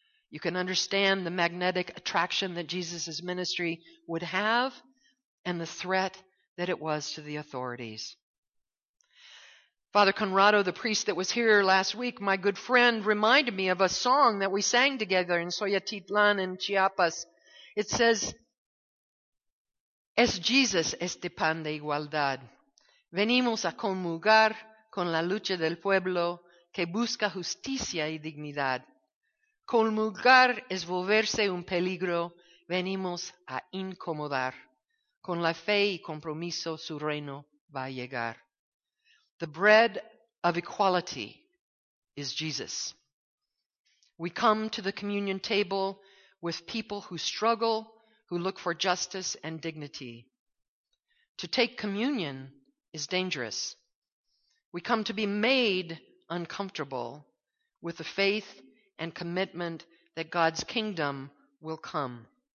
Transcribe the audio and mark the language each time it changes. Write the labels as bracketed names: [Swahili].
[English] You can understand the magnetic attraction that Jesus' ministry would have and the threat that it was to the authorities. Father Conrado, the priest that was here last week, my good friend, reminded me of a song that we sang together in Soyatitlan in Chiapas. It says, [Spanish] Es Jesus este pan de igualdad. Venimos a conmugar con la lucha del pueblo que busca justicia y dignidad. Conmugar es volverse un peligro. Venimos a incomodar. Con la fe y compromiso su reino va a llegar. [English] The bread of equality is Jesus. We come to the communion table with people who struggle, who look for justice and dignity. To take communion is dangerous. We come to be made uncomfortable with the faith and commitment that God's kingdom will come.